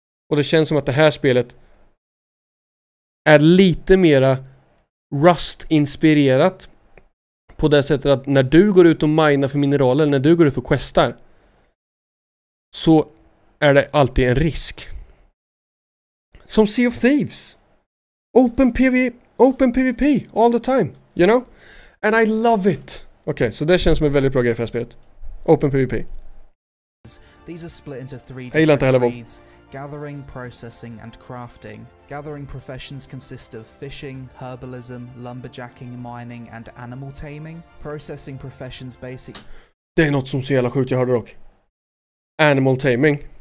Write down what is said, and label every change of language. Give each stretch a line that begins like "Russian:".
Swedish: Och det känns som att det här spelet är lite mera Rust-inspirerat. På det sättet att när du går ut och minar för mineraler, när du går ut för questar, så är det alltid en risk. Som Sea of Thieves.
English: Open PvP all the time, you know? And I love it.
Swedish: Okej, okay, så det känns som en väldigt bra grej för det här spelet.
English: Open PvP. These are split into three different trades: gathering, processing, and crafting. Gathering professions consist of fishing, herbalism, lumberjacking, mining, and animal taming. Processing professions basic.
Swedish: Det är något som ser jävla sjukt, jag hörde dock.
English: Animal taming.